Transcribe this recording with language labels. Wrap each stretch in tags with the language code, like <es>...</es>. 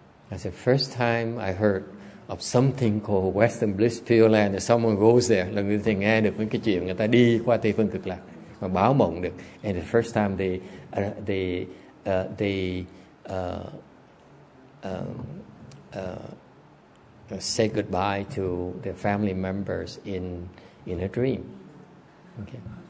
<en>That's the first time I heard of something called Western Bliss Pure Land, that someone goes there.</en> <vi>Lần đầu tiên nghe được cái chuyện người ta đi qua Tây Phương Cực Lạc mà báo mộng được.</vi> <en>And the first time they say goodbye to their family members in a dream. Okay.</en>